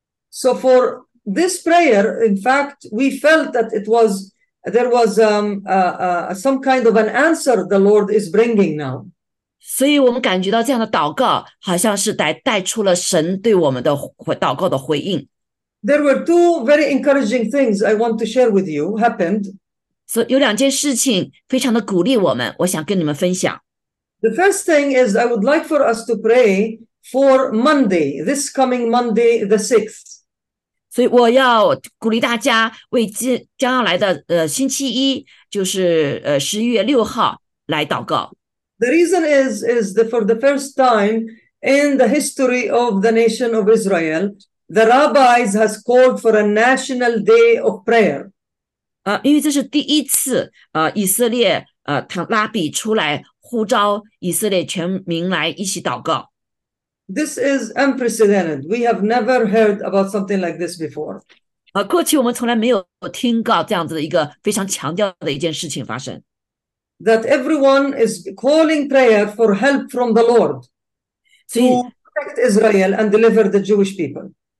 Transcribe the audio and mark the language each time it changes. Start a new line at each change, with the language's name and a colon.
English: So for this prayer, in fact, we felt that it was there was some kind of an answer the Lord is bringing now.
Chinese: 所以我们感觉到这样的祷告，好像是带出了神对我们的祷告的回应。
English: There were two very encouraging things I want to share with you happened.
Chinese: So 有两件事情非常的鼓励我们，我想跟你们分享。
English: The first thing is I would like for us to pray for Monday, this coming Monday, the 6th.
Chinese: 所以我要鼓励大家为将来的星期一，就是11月6号来祷告。
English: The reason is that for the first time in the history of the nation of Israel, the rabbis has called for a national day of prayer.
Chinese: 因为这是第一次以色列他拉比出来呼召以色列全民来一起祷告。
English: This is unprecedented. We have never heard about something like this before.
Chinese: 过去我们从来没有听到这样子的一个非常强调的一件事情发生。
English: That everyone is calling prayer for help from the Lord
Chinese: 所以，
English: to protect Israel and deliver the Jewish people.